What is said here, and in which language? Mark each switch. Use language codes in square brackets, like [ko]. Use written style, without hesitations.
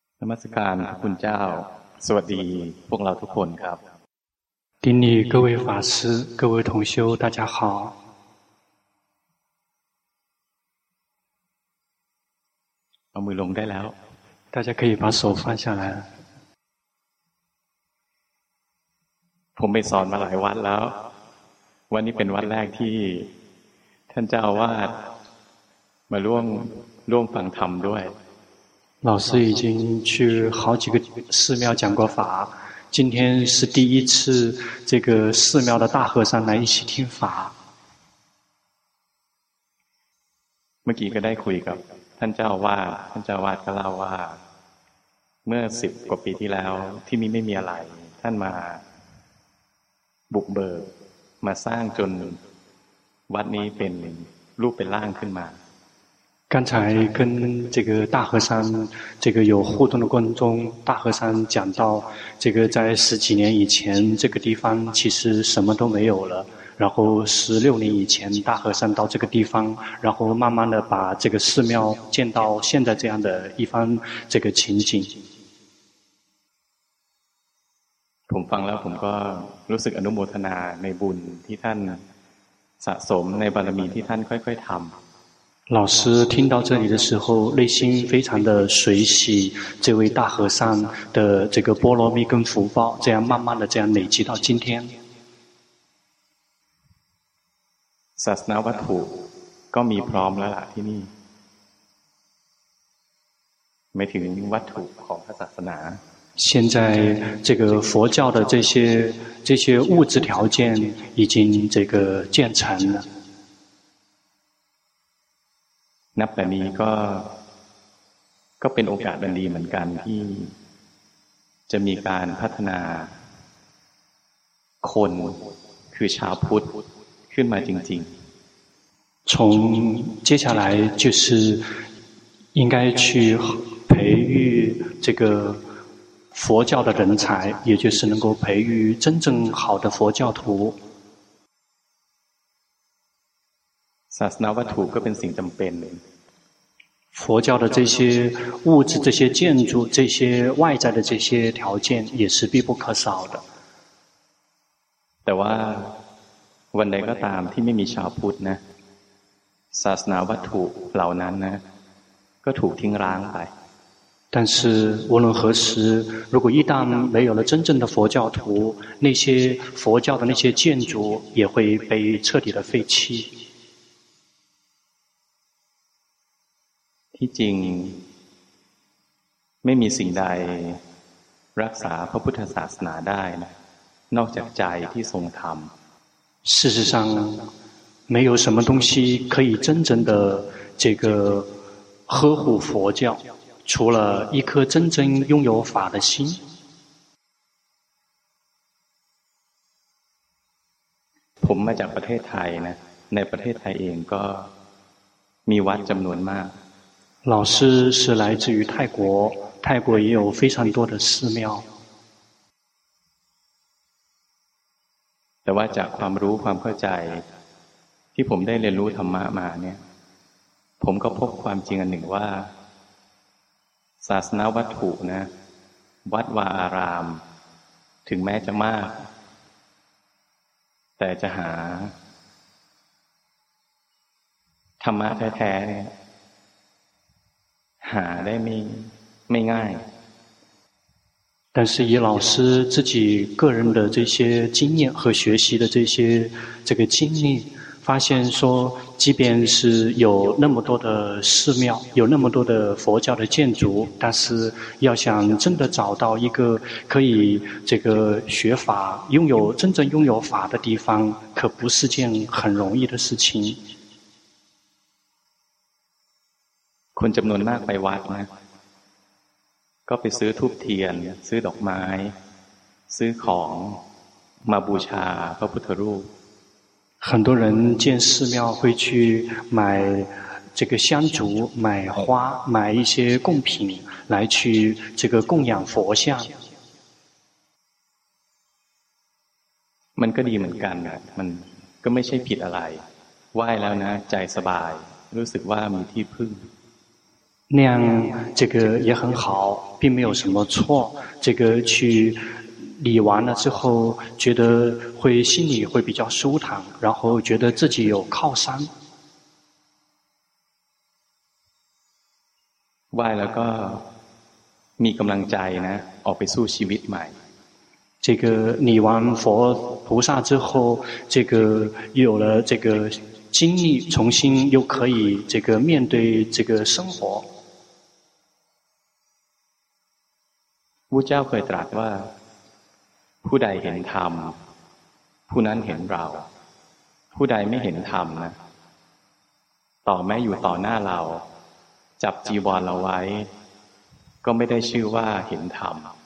[th] มัสการพระคุณเจ้าสวัสดีพวกเราทุกคนครับ [zh] 丁尼各位法师各位同修大家好 [th] เอามือลงได้แล้ว [zh] 大家可以把手放下来 [th] ผมไปสอนมาหลายวัดแล้ววันนี้เป็นวัดแรกที่ท่านเจ้าวาดมาร่วมฟังธรรมด้วย [zh] 老师已经去好几个寺庙讲过法今天是第一次这个寺庙的大和尚来一起听法 [th] เมื่อกี้ก็ได้คุยกับท่านเจ้าวาดท่านเจ้าวาดก็เล่าว่าเมื่อ10กว่าปีที่แล้วที่นี่ไม่มีอะไรท่านมาบุกเบิกมาสร้างจนวัดนี้เป็นรูปเป็นร่างขึ้นมา [zh] 刚才跟这个大和尚这个有互动的过程中大和尚讲到这个在十几年以前这个地方其实什么都没有了然后16年以前大和尚到这个地方然后慢慢的把这个寺庙建到现在这样的一番这个情景 [th] ผมฟังแล้วผมก็รู้สึกอนุโมทนาในบุญที่ท่านสะสมในบารมีที่ท่านค่อยๆทำ [zh] 老师听到这里的时候内心非常的随喜这位大和尚的这个波罗蜜跟福报这样慢慢的这样累积到今天 [th] ศาสนาวัตถุก็มีพร้อมแล้วล่ะที่นี่ไม่ถึงวัตถุของพระศาสนา [zh] 现在这个佛教的这些物质条件已经这个建成了 [th] นับแต่นี้ก็เป็นโอกาสอันดีเหมือนกันที่จะมีการพัฒนาคนคือชาวพุทธขึ้นมาจริง [zh] ๆ从接下来就是应该去培育这个佛教的人才也就是能够培育真正好的佛教徒 [th] ศาสนาวัตถุก็เป็นสิ่งจำเป็น [zh] 佛教的这些物质这些建筑这些外在的这些条件也是必不可少的 [th] แต่ว่าวันใดก็ตามที่ไม่มีชาวพุทธนะศาสนาวัตถุเหล่านั้นนะก็ถูกทิ้งร้างไป [zh] 但是无论何时如果一旦没有了真正的佛教徒那些佛教的那些建筑也会被彻底的废弃 [th] ที่จริงไม่มีสิ่งใดรักษาพระพุทธศาสนาได้นอกจากใจที่ทรงธรรม [zh] 事实上没有什么东西可以真正的这个呵护佛教除了一颗真正拥有法的心 [th] ผมมาจากประเทศไทยนะในประเทศไทยเองก็มีวัดจำนวนมาก [zh] 老师是来自于泰国，泰国也有非常多的寺庙。 [th] แต่ว่าจากความรู้ความเข้าใจที่ผมได้เรียนรู้ธรรมะมาเนี่ยผมก็พบความจริงอันหนึ่งว่าศาสนาวัตถุนะวัดวาอารามถึงแม้จะมากแต่จะหาธรรมะแท้ๆเนี่ยหาได้ไม่ง่าย [zh] 但是以老师自己个人的这些经验和学习的这些这个经历发现说即便是有那么多的寺庙有那么多的佛教的建筑但是要想真的找到一个可以这个学法拥有真正拥有法的地方可不是件很容易的事情 [th] คนจำนวนมากไปวัดนะก็ไปซื้อธูปเทียนซื้อดอกไม้ซื้อของมาบูชาพระพุทธรูป [zh] 很多人建寺庙会去买这个香烛买花买一些贡品来去这个供养佛像 [th] มันก็ดีเหมือนกันนะมันก็ไม่ใช่ผิดอะไรไหว้แล้วนะใจสบายรู้สึกว่ามีที่พึ่ง [zh] 那样这个也很好，并没有什么错。这个去理完了之后，觉得会心里会比较舒坦，然后觉得自己有靠山。 [th] ไหว้แล้วก็มีกำลังใจนะออกไปสู้ชีวิตใหม่ [zh] 这个礼完佛菩萨之后这个有了这个精力重新又可以这个面对这个生活 [th] พระเจ้าเคยตรัสว่าผู้ใดเห็นธรรมผู้นั้นเห็นเราผู้ใดไม่เห็นธรรมนะต่อแม้อยู่ต่อหน้าเราจับจีวรเราไว้ก็ไม่ได้ชื่อว่าเห็นธรรม